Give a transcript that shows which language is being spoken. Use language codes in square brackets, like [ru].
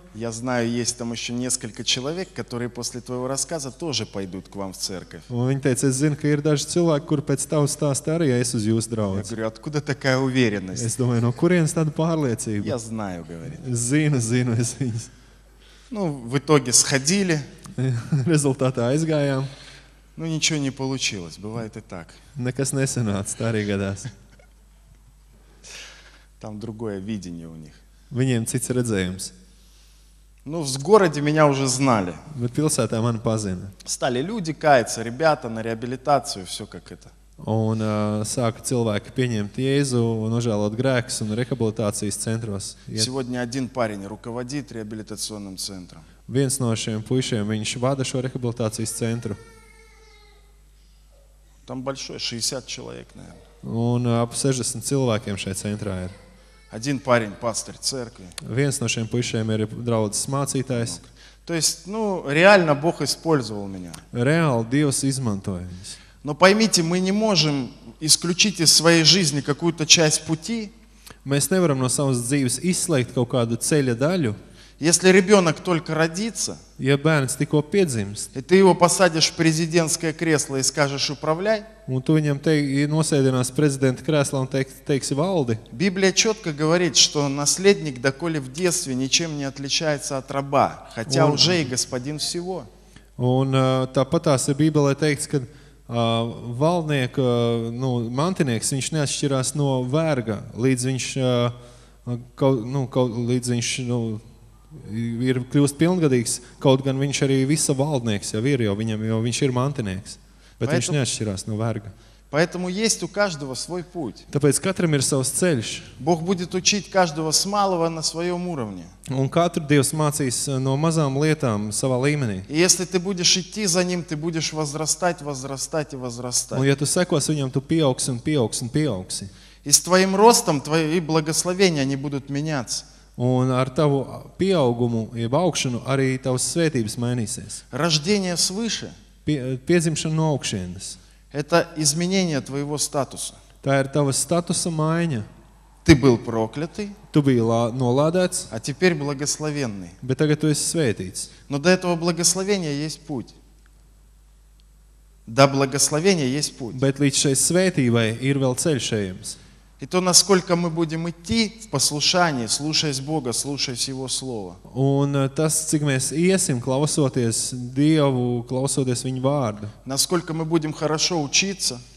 [ru] Я знаю, есть там еще несколько человек, которые после твоего рассказа тоже пойдут к вам в церковь. [lv] Viņa teica, es zinu, ka ir daži cilvēki, kuri pēc tavu stāstu arī es uz jūsu draudzi. [ru] Я говорю, откуда такая уверенность? [lv] Es domāju, no kurienes tāda pārliecība? [ru] Я знаю, говорит. [lv] Zinu, es viņu. [ru] Ну, в итоге сходили. Результаты [lv] aizgājām. [ru] Ну, ничего не получилось, бывает и так. [lv] Nekas nesanāca, tā arī gadās. [ru] Там другое видение у них. [lv] Viņiem cits redzējums. [ru] Ну, в городе меня уже знали. [lv] Bet pilsētā mani pazina. [ru] Стали люди каяться, ребята на реабилитацию, все как это. [lv] Un sāka cilvēki pieņemt Jēzu, nožēlot grēkus un rehabilitācijas centros. [ru] Сегодня один парень руководит реабилитационным центром. [lv] Viens no šiem puišiem, viņš vada šo rehabilitācijas centru. [ru] Там большой, 60 человек, наверное. [lv] Un ap 60 cilvēkiem šajā centrā ir. [ru] Один парень пастырь церкви. [lv] Viens no šiem puišiem ir draudzes mācītājs. [ru] То есть, ну, реально Бог использовал меня. Реально [lv] Dievs izmantoja. [ru] Но поймите, мы не можем исключить из своей жизни какую-то часть пути. [lv] Mēs nevaram no savas dzīves izslēgt kaut kādu ceļa daļu. [ru] Если ребенок только родится, [lv] ja bērns tikko piedzimst, [ru] и ты его посадишь в президентское кресло и скажешь управляй, [lv] un tu viņam nosēdinās prezidenta kreslā un teiksi valdi. [ru] Библия четко говорит, что наследник, доколе в детстве, ничем не отличается от раба, хотя un, уже и господин всего. [lv] Un tāpatās ir Bībelē teikts, ka valdnieka, nu, mantinieks, viņš neatšķirās no verga, līdz viņš, līdz viņš, nu, ir kļūst pilngadīgs, kaut gan viņš arī visa valdnieks jau ir, jo viņš ir mantinieks, bet viņš neatšķirās no verga. [ru] Поэтому есть у каждого свой путь. [lv] Tāpēc katram ir savs ceļš. [ru] Бог будет учить каждого с малого на своем уровне. [lv] Un katru Dievs mācīs no mazām lietām savā līmenī. [ru] И если ты будешь идти за ним, ты будешь возрастать, возрастать и возрастать. [lv] Un ja tu sekos viņam, tu pieaugsi un pieaugsi un pieaugsi. [ru] И с твоим ростом твои благословения они будут меняться. [lv] Un ar tavu pieaugumu, jeb augšanu, arī tavas svētības mainīsies. [ru] Рождение свыше. [lv] Piedzimšana no augšienes. [ru] Это изменение твоего статуса. [lv] Tā ir tava statusa maiņa. [ru] Ты был проклятый. [lv] Tu biji nolādēts. [ru] А теперь благословенный. [lv] Bet tagad tu esi svētīts. [ru] Но до этого благословения есть путь. До благословения есть путь. [lv] Bet līdz šai svētībai ir vēl ceļš ejams. [ru] И то, насколько мы будем идти в послушании, слушаясь Бога, слушаясь Его Слова. [lv] Un tas, cik mēs iesim, klausoties Dievu, klausoties Viņu vārdu. [ru] Насколько мы будем хорошо учиться.